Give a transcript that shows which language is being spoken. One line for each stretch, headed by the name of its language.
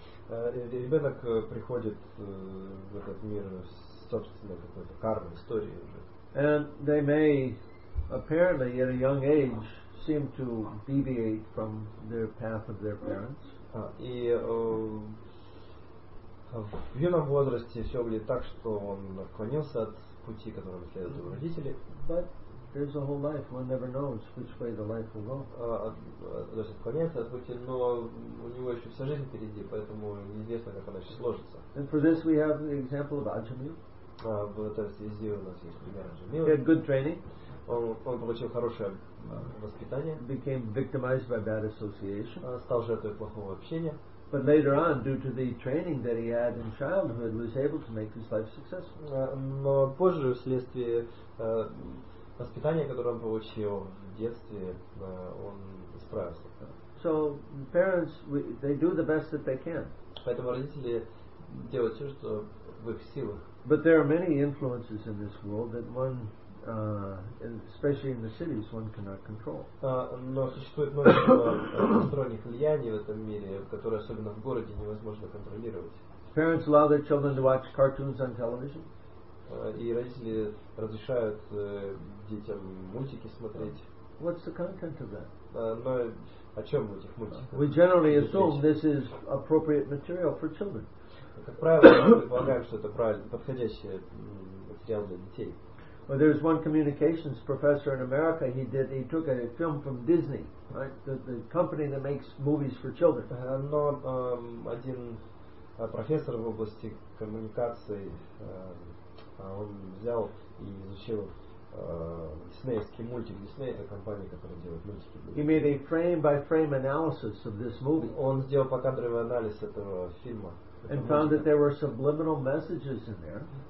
Russian: Ребенок приходит в этот мир собственной какой-то кармой, историей уже.
English: And they may apparently at a young age seem to deviate from their path of their parents.
Russian: И в юном возрасте все будет так, что он отклонился от пути, которым следуют его родители.
English: But there's a whole life. One never knows which way the life will go.
Russian: Отклоняется от пути, но у него еще вся жизнь впереди, поэтому неизвестно, как она еще сложится.
English: And for this we have the example of Ajamil.
Russian: То есть везде у нас есть пример Ajamil.
English: He had good training.
Russian: Он получил хорошее воспитание.
English: Became victimized by bad association.
Russian: Стал жертвой плохого общения.
English: But later on, due to the training that he had in childhood, was able to make his life successful.
Russian: Но позже, вследствие воспитания, которое он получил в детстве, он справился.
English: So parents, they do the best that they can.
Russian: Поэтому родители делают все, что в их силах.
English: But there are many influences in this world that one, especially in the cities, one cannot control.
Russian: Но существует много посторонних влияний в этом мире, которые особенно в городе невозможно контролировать.
English: Parents allow their children to watch cartoons on television.
Russian: И родители разрешают детям мультики смотреть.
English: What's the content of that?
Russian: Но о чем в этих мультиках?
English: We generally assume this is appropriate material for children.
Russian: Как правило, мы предполагаем, что это правильно, подходящий материал для детей.
English: Well, there's one communications professor in America. He took a film from Disney, right? The company that makes movies for children.
Russian: Но один профессор в области коммуникации, он взял и изучил диснеевский мультик. Дисней — это компания, которая делает мультики.
English: He made a frame-by-frame analysis of this movie.
Russian: Он сделал покадровый анализ этого фильма.
English: And found that there were subliminal messages in there.